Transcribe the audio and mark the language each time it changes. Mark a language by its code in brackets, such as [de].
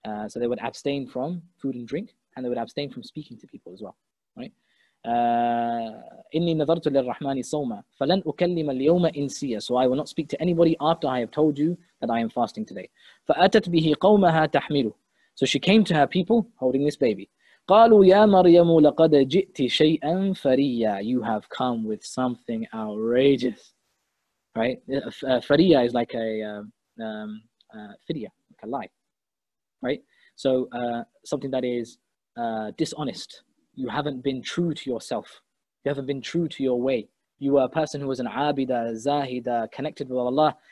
[en] So they would abstain from food and drink, and they would abstain from speaking to people as well, right? [ar] إِنِّي نَظَرْتُ لِلْرَّحْمَانِ صَوْمًا فَلَنْ أُكَلِّمَ الْيَوْمَ إِنْسِيَ [en] So I will not speak to anybody after I have told you that I am fasting today. [ar] فَأَتَتْ بِهِ قَوْمَهَا تَحْمِلُ [en] So she came to her people holding this baby. [ar] قَالُوا يَا مَرْيَمُ لَقَدْ جِئْتِ شَيْئًا فَرِيًّا [en] You have come with something outrageous. Right? Fariya is like a fidya, like a lie. Right? So something that is dishonest. You haven't been true to yourself. You haven't been true to your way. You were a person who was an abida, zahida, connected with Allah.